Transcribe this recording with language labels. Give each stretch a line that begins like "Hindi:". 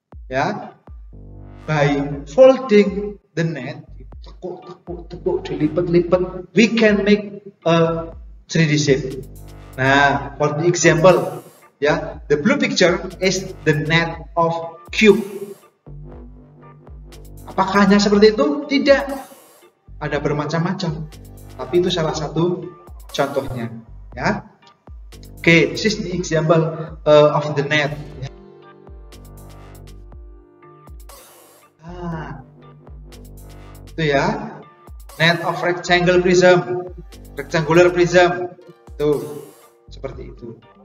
English: Ya, by folding the net,
Indonesian: tekuk, dilipat-lipat,
English: we can make a 3D shape. Nah, for the example, ya, the blue picture is the net of cube.
Indonesian: Apakah hanya seperti itu? Tidak. Ada bermacam-macam. Tapi itu salah satu contohnya, ya.
English: Oke, this is the example of the net.
Indonesian: Ah, itu ya,
English: net of rectangle prism, rectangular prism,
Indonesian: tuh seperti itu.